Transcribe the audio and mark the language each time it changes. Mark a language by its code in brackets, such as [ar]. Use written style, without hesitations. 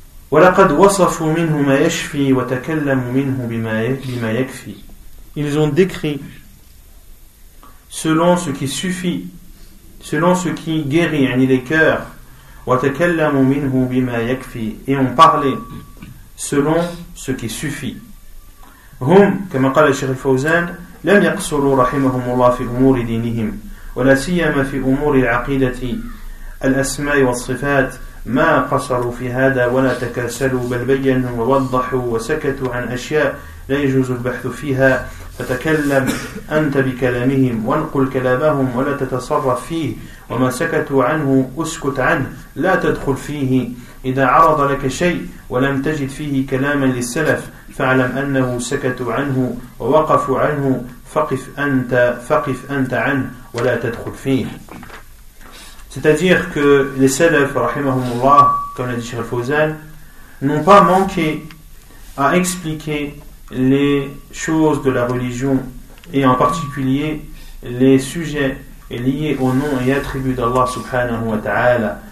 [ar] وَلَقَدْ وَصَفُوا مِنْهُ مَا يَشْفِي وَتَكَلَّمُوا مِنْهُ بِمَا يَكْفِي. [fr] Ils ont décrit selon ce qui suffit, selon ce qui guérit yani les cœurs, [ar] وَتَكَلَّمُوا مِنْهُ بِمَا يَكْفِي, [fr] et ont parlé selon ce qui suffit. [ar] هُمْ كَمَا قَالَ الشَّيْخُ الْفَوْزَانِ لَمْ يَقْصُرُوا رَحِمَهُمُ اللَّهُ فِي أُمُورِ دِينِهِمْ وَلَا سِيَّمَا فِي أُمُورِ الْعَقِيدَةِ الْأَسْمَاءِ وَالصِّفَاتِ مَا قَصَرُوا فِي هَذَا وَلَا تَكَاسَلُوا بَلْ بَيَّنُوا وَوَضَّحُوا وَسَكَتُوا عَنْ أَشْيَاءَ لَا يَجُوزُ الْبَحْثُ فِيهَا فتكلم أنت بكلامهم وانقل كلامهم ولا تتصرف فيه وما سكتوا عنه أسكت عنه لا تدخل فيه إذا عرض لك شيء ولم تجد فيه كلاما للسلف فاعلم أنه سكتوا عنه ووقفوا عنه فقف أنت عنه ولا تدخل فيه. [fr] C'est-à-dire que les salafs, رحمهم الله, comme l'a dit Cheikh Fawzan, n'ont pas manqué à expliquer les choses de la religion et en particulier les sujets liés au nom et attributs d'Allah subhanahu wa ta'ala.